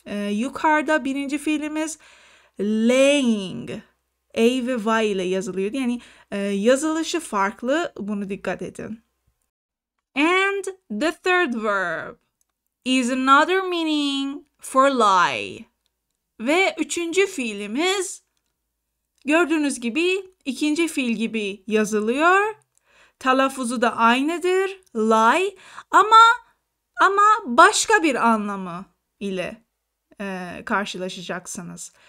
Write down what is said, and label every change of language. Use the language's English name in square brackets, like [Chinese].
[Turkish] Yukarıda birinci fiilimiz laying a ve y ile yazılıyor. Yani yazılışı farklı bunu dikkat edin. [English] And the third verb is another meaning for lie. [Turkish] Ve üçüncü fiilimiz gördüğünüz gibi ikinci fiil gibi yazılıyor. Telaffuzu da aynıdır. Lie. Ama başka bir anlamı ile karşılaşacaksınız.